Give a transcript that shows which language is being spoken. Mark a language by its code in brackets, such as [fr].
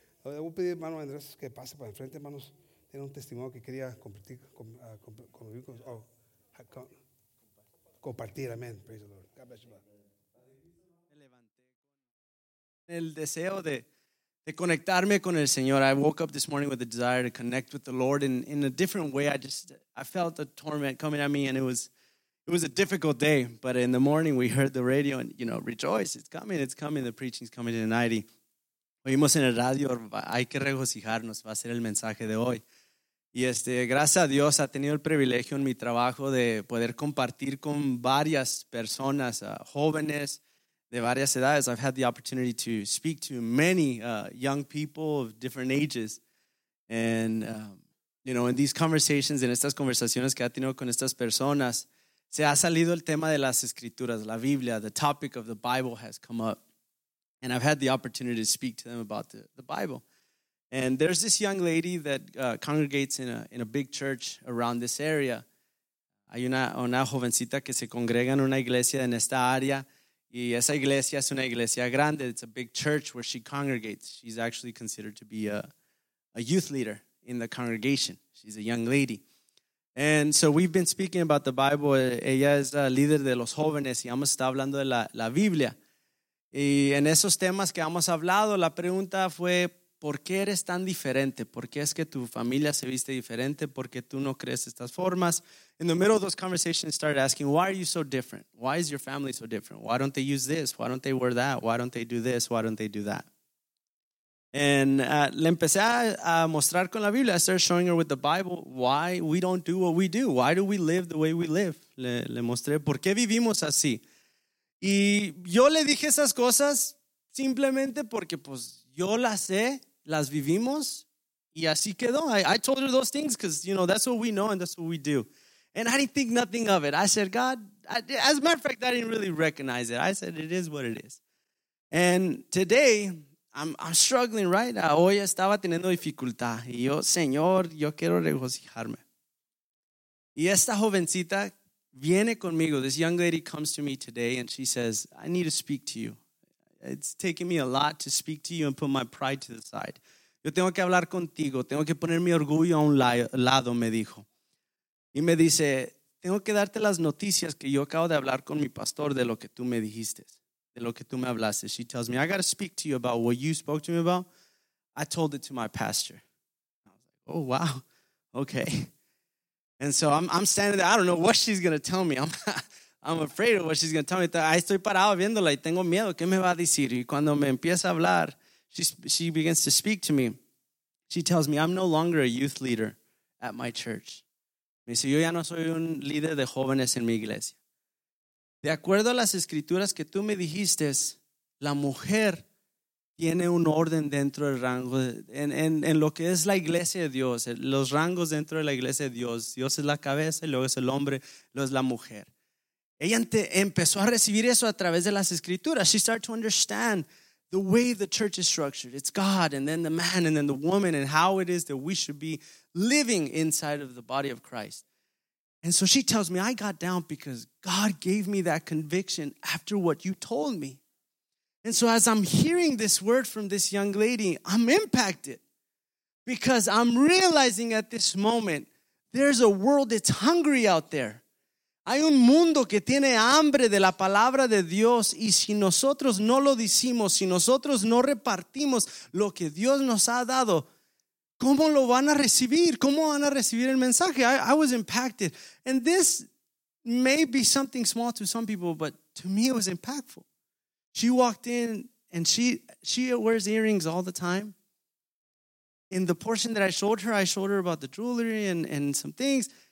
[es] Le voy a pedir, hermano Andrés, que pase para enfrente, hermanos. Tiene un testimonio que quería compartir. [en] Amen. Praise the Lord. God bless you, brother. [es] Me levanté con el deseo de conectarme con el Señor. [en] I woke up this morning with the desire to connect with the Lord in a different way. I felt the torment coming at me, and it was a difficult day, but in the morning we heard the radio and, you know, rejoice, it's coming, the preaching's coming tonight. [es] Oímos en el radio, hay que regocijarnos, va a ser el mensaje de hoy. Y gracias a Dios, ha tenido el privilegio en mi trabajo de poder compartir con varias personas, jóvenes de varias edades. [en] I've had the opportunity to speak to many young people of different ages. And, you know, in these conversations, [es] en estas conversaciones que ha tenido con estas personas, se ha salido el tema de las escrituras, la Biblia, [en] the topic of the Bible has come up. And I've had the opportunity to speak to them about the Bible. And there's this young lady that congregates in a big church around this area. [es] Hay una jovencita que se congrega en una iglesia en esta área. Y esa iglesia es una iglesia grande. [en] It's a big church where she congregates. She's actually considered to be a youth leader in the congregation. She's a young lady. And so we've been speaking about the Bible. [es] Ella es la líder de los jóvenes y vamos a estar hablando de la Biblia. Y en esos temas que hemos hablado, la pregunta fue, ¿por qué eres tan diferente? ¿Por qué es que tu familia se viste diferente? ¿Por qué tú no crees estas formas? [en] In the middle of those conversations, started asking, why are you so different? Why is your family so different? Why don't they use this? Why don't they wear that? Why don't they do this? Why don't they do that? [es] And le empecé a mostrar con la Biblia. [en] I started showing her with the Bible why we don't do what we do. Why do we live the way we live? [es] Le mostré por qué vivimos así. Y yo le dije esas cosas simplemente porque pues yo las sé, las vivimos, y así quedó. [en] I told her those things because, you know, that's what we know and that's what we do. And I didn't think nothing of it. I said, God, as a matter of fact, I didn't really recognize it. I said, it is what it is. And today, I'm struggling, right? [es] Hoy estaba teniendo dificultad. Y yo, Señor, yo quiero regocijarme. Y esta jovencita viene conmigo. [en] This young lady comes to me today and she says, I need to speak to you. It's taking me a lot to speak to you and put my pride to the side. [es] Yo tengo que hablar contigo. Tengo que poner mi orgullo a un lado, me dijo. Y me dice, tengo que darte las noticias que yo acabo de hablar con mi pastor de lo que tú me dijiste. De lo que tú me hablaste. [en] She tells me, I got to speak to you about what you spoke to me about. I told it to my pastor. I was like, oh, wow. Okay. And so I'm standing there. I don't know what she's going to tell me. I'm afraid of what she's going to tell me. [es] Ahí estoy parado viéndola y tengo miedo. ¿Qué me va a decir? Y cuando me empieza a hablar, [en] she begins to speak to me. She tells me, I'm no longer a youth leader at my church. [es] Me dice, yo ya no soy un líder de jóvenes en mi iglesia. De acuerdo a las escrituras que tú me dijiste, la mujer tiene un orden dentro del rango, en lo que es la iglesia de Dios, los rangos dentro de la iglesia de Dios. Dios es la cabeza y luego es el hombre, luego es la mujer. Ella empezó a recibir eso a través de las escrituras. [en] She started to understand the way the church is structured. It's God and then the man and then the woman and how it is that we should be living inside of the body of Christ. And so she tells me, I got down because God gave me that conviction after what you told me. And so as I'm hearing this word from this young lady, I'm impacted because I'm realizing at this moment There's a world that's hungry out there. [es] Hay un mundo que tiene hambre de la palabra de Dios, y si nosotros no lo decimos, si nosotros no repartimos lo que Dios nos ha dado, ¿cómo lo van a recibir? ¿Cómo van a recibir el mensaje? [en] I was impacted. And this may be something small to some people, but to me it was impactful. She walked in and she wears earrings all the time. In the portion that I showed her about the jewelry and some things.